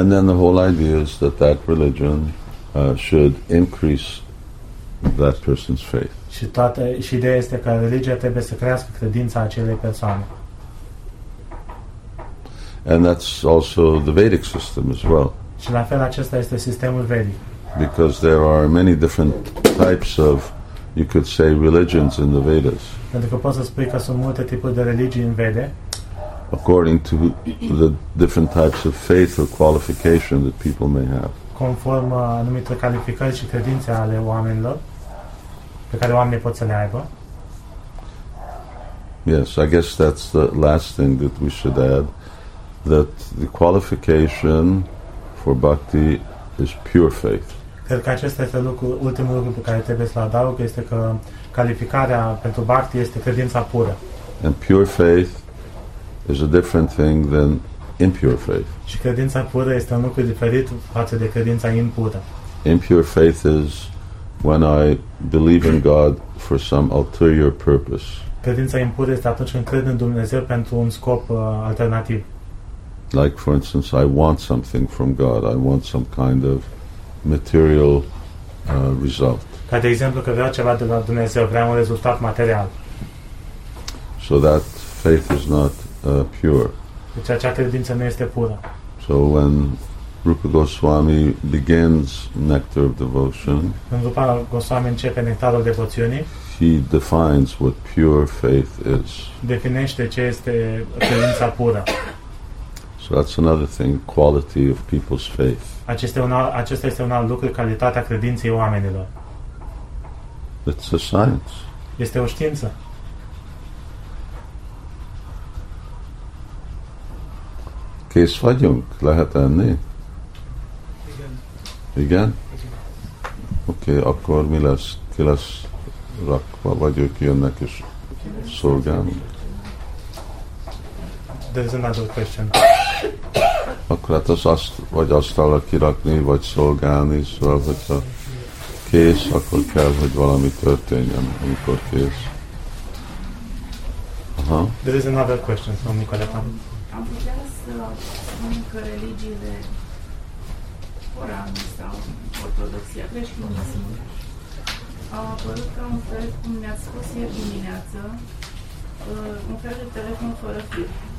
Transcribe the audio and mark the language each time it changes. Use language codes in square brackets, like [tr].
[en] And then the whole idea is that that religion should increase that person's faith. [ro] Și toată și ideea este că religia trebuie să crească credința acelei persoane. [en] And that's also the Vedic system as well. [ro] Și la fel acesta este sistemul vedic. [en] Because there are many different types of, you could say, religions in the Vedas. [ro] Pentru că poți să spui că sunt multe tipuri de religii în Vede. [en] According to the different types of faith or qualification that people may have. [ro] Conform anumite calificări și credințe ale oamenilor pe care oamenii pot să le aibă. [en] Yes, I guess that's the last thing that we should add, that the qualification for bhakti is pure faith. [ro] Cred că acesta este lucru, ultimul lucru pe care trebuie să-l adaug, este că calificarea pentru bhakti este credința pură. [en] And pure faith is a different thing than impure faith. [ro] Și credința pură este un lucru diferit față de credința impură. [en] Impure faith is when I believe in God for some ulterior purpose. [ro] Credința impură este atunci când cred în Dumnezeu pentru un scop alternativ. [en] Like, for instance, I want something from God. I want some kind of material result. [ro] Ca de exemplu că vreau ceva de la Dumnezeu, vreau un rezultat material. [en] So that faith is not pure. [ro] Deci acea credință nu este pură. [en] So when Rupa Goswami begins Nectar of Devotion, [ro] când Rupa Goswami începe Nectarul Devoțiunii, [en] he defines what pure faith is. [ro] Definește ce este credința pură. [en] So that's another thing, quality of people's faith. [ro] Acesta este un alt lucru, calitatea credinței oamenilor. [en] It's a science. [ro] Este o știință. Ce e sfajung? La hata ne? [hu] Igen. Ok, akkor mi lesz? Ki lesz rakva? Vagy ők jönnek és szolgálnak? [en] There's another question. [hu] Akkor hát az azt, vagy asztalra kirakni, vagy szolgálni, szóval, hogyha kész, akkor kell, hogy valami történjen, amikor kész. Aha. [en] There is another question from Nicoleta. [ro] Am putea să spun că religiile corane sau ortodoxia creștinismului au apărut ca un fel, cum ne-ați spus ieri dimineață, un fel de telefon fără fir.